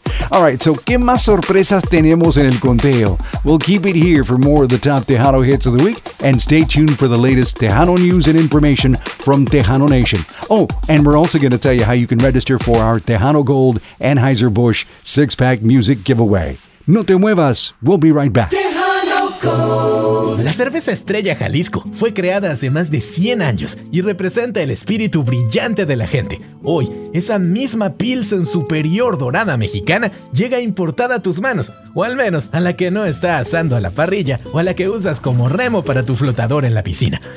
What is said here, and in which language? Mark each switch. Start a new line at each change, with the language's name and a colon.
Spanish: All right, so ¿qué más sorpresas tenemos en el conteo?
English: We'll keep it here for more of the top Tejano hits of the week, and stay tuned for the latest Tejano news and information from Tejano Nation. Oh, and we're also going to tell you how you can register for our Tejano Gold Anheuser-Busch six-pack music giveaway. No te muevas, we'll be right back.
Spanish: La cerveza Estrella Jalisco fue creada hace más de 100 años y representa el espíritu brillante de la gente. Hoy, esa misma Pilsen Superior Dorada Mexicana llega importada a tus manos, o al menos a la que no está asando a la parrilla o a la que usas como remo para tu flotador en la piscina.